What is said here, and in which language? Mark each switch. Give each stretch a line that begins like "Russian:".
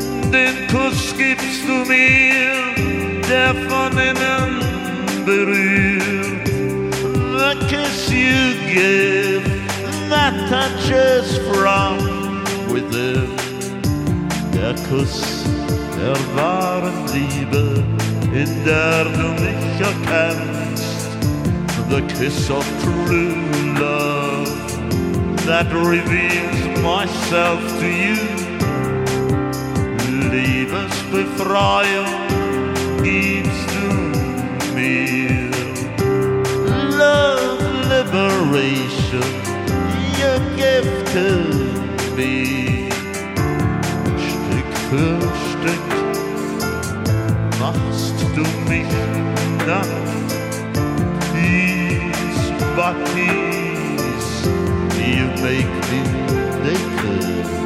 German: Den Kuss gibst du mir, der von innen berührt.
English: The kiss you give, that touches from within.
German: Der Kuss der wahren Liebe, in der du mich erkennst.
English: The kiss of true love, that reveals myself to you.
German: Liebesbefreiung gibst du mir.
English: Love liberation you give to me.
German: Stück für Stück machst du mich dann
English: piece by piece. You make me naked.